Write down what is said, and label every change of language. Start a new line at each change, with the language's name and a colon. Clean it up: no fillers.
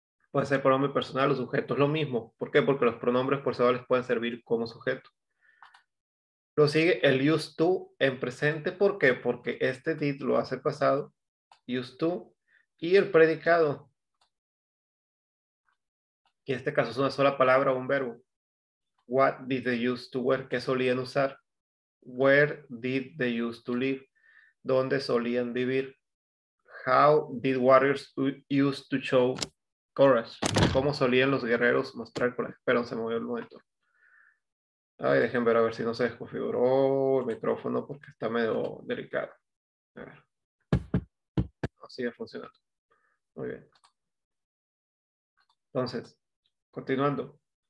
Spanish: Puede ser pronombre personal o sujeto, es lo mismo. ¿Por qué? Porque los pronombres personales pueden servir como sujeto. Lo sigue el used to en presente, ¿por qué? Porque este did lo hace pasado, used to, y el predicado. Y en este caso es una sola palabra o un verbo.
English: What did they use to wear?
Spanish: ¿Qué solían usar?
English: Where did they used to live?
Spanish: ¿Dónde solían vivir?
English: How did warriors used to show courage?
Spanish: ¿Cómo solían los guerreros mostrar coraje? Perdón, se movió el monitor. Ay, dejen ver a ver si no se desconfiguró el micrófono porque está medio delicado. A ver. No, sigue funcionando. Muy bien. Entonces, continuando.